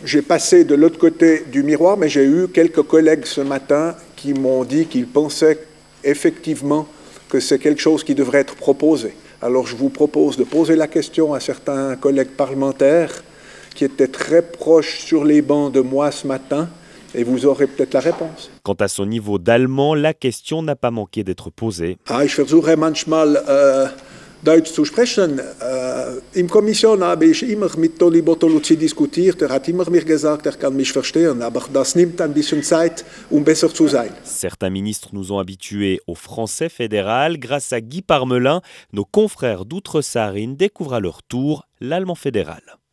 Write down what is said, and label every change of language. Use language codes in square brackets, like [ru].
[fr] J'ai passé de l'autre côté du miroir, mais j'ai eu quelques collègues ce matin qui m'ont dit qu'ils pensaient effectivement que c'est quelque chose qui devrait être proposé. Alors je vous propose de poser la question à certains collègues parlementaires qui étaient très proches sur les bancs de moi ce matin. Et vous aurez peut-être la réponse. Quant à son niveau d'allemand, la question n'a pas manqué d'être posée. [de] Ich versuche manchmal Deutsch zu sprechen. Im Kommission habe ich immer mit Toni Bortoluzzi diskutiert. Er hat immer mir gesagt, er kann mich verstehen. Aber das nimmt ein bisschen Zeit, besser zu sein. [fr] Certains ministres nous ont habitués au français fédéral. Grâce à Guy Parmelin, nos confrères d'Outre-Sarine découvrent à leur tour l'allemand fédéral.